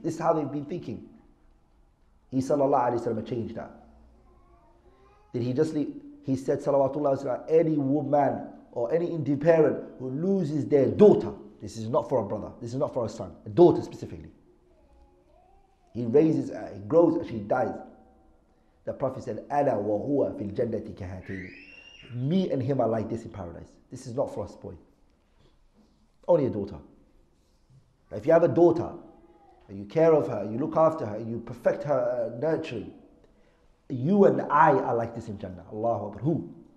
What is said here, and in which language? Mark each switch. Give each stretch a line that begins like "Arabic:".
English: This is how they've been thinking. He sallallahu alayhi wa sallam changed that. Did he just leave? He said salawatullahi wa sallam, any woman or any indie parent who loses their daughter, this is not for a brother, this is not for a son, a daughter specifically. He raises her, he grows her, she dies. The Prophet said,
Arabic: أَنَا وَهُوَ فِي الْجَنَّةِ كَهَاتِينَ.
English: Me and him are like this in paradise. This is not for us, boy. Only a daughter. Now, if you have a daughter, and you care of her, you look after her, you perfect her nurturing, you and I are like this in Jannah. Allahu Akbar. Who?